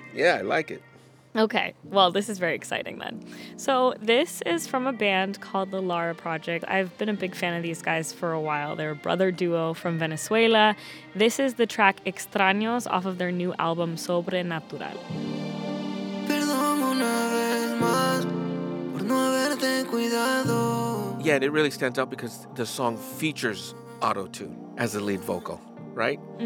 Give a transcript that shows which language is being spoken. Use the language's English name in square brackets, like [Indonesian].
[English] Yeah, I like it. Okay. Well, this is very exciting then. So this is from a band called The Lara Project. I've been a big fan of these guys for a while. They're a brother duo from Venezuela. This is the track Extraños off of their new album Sobrenatural. [Spanish] Perdón una vez más por no haberte cuidado. [English] Yeah, and it really stands out because the song features auto-tune as the lead vocal, right?